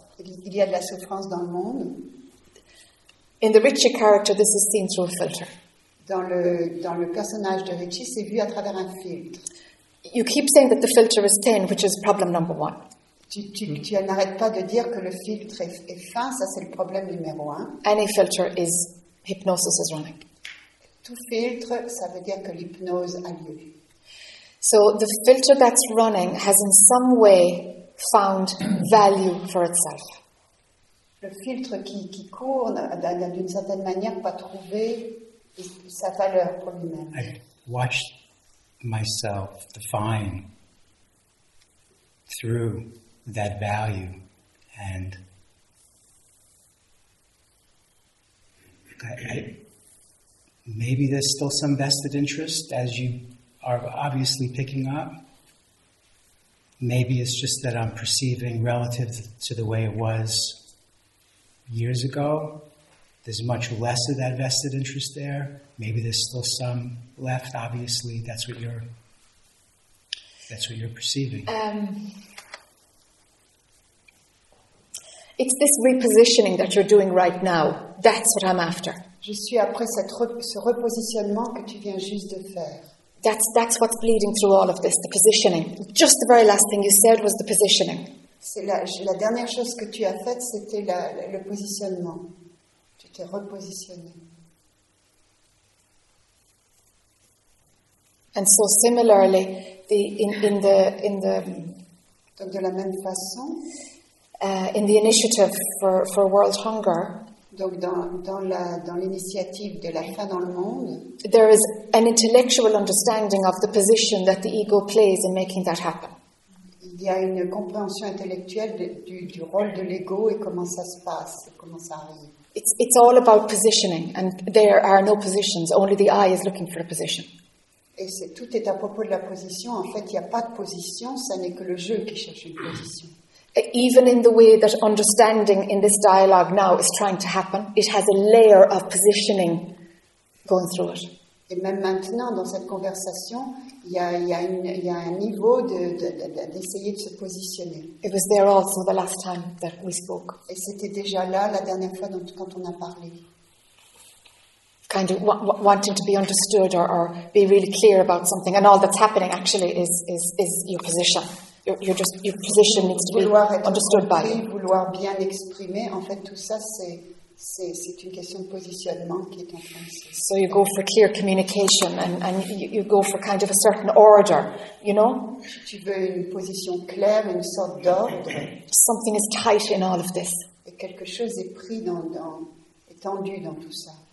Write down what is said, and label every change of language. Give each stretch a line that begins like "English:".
French: Il y a de la souffrance dans le monde.
English: In the Ricci character, this is seen through a filter.
French: Dans le personnage de Ricci, c'est vu à travers un filtre.
English: You keep saying that the filter is thin, which is problem number one.
French: Tu n'arrêtes pas de dire que le filtre est fin. Ça, c'est le problème numéro un.
English: Any filter is. Hypnosis is running.
French: Tout filtre, ça veut dire que l'hypnose a lieu.
English: So the filter that's running has in some way found value for itself.
French: Le filtre qui court n'a d'une certaine manière pas trouvé sa valeur pour lui-même.
English: I watched myself define through that value and maybe there's still some vested interest, as you are obviously picking up. Maybe it's just that I'm perceiving relative to the way it was years ago. There's much less of that vested interest there. Maybe there's still some left. Obviously, that's what you're perceiving. It's this repositioning that you're doing right now. That's what I'm after.
French: Je suis après ce repositionnement que tu viens juste de faire.
English: That's what's bleeding through all of this, the positioning. Just the very last thing you said was the positioning.
French: C'est la dernière chose que tu as faite, c'était le positionnement. Tu t'es repositionné.
English: And so similarly, in the
French: Donc de la même façon,
English: In the initiative for world hunger,
French: Donc dans l'initiative de la fin dans le monde,
English: there is an intellectual understanding of the position that the ego plays in making that happen.
French: Il y a une compréhension intellectuelle du rôle de l'ego et comment ça se passe, comment ça arrive.
English: It's all about positioning, and there are no positions. Only the eye is looking for a position.
French: Et c'est, tout est à propos de la position. En fait, il n'y a pas de position. Ça n'est que le jeu qui cherche une position.
English: Even in the way that understanding in this dialogue now is trying to happen, it has a layer of positioning going through it.
French: Et même maintenant, dans cette conversation, il y a un niveau d'essayer de se positionner.
English: It was there also the last time that we spoke.
French: Et c'était déjà là la dernière fois quand on a parlé.
English: Kind of wanting to be understood or be really clear about something, and all that's happening actually is your position. Your position needs to
French: vouloir
English: be understood
French: compris,
English: by you.
French: Vouloir bien exprimer, en fait, tout ça, c'est une question de positionnement qui est en train de se faire.
English: So you go for clear communication and you go for kind of a certain order, you know?
French: Tu veux une position claire, une sorte d'ordre.
English: Something is tight in all of this.
French: Et quelque chose est pris est tendu dans tout ça.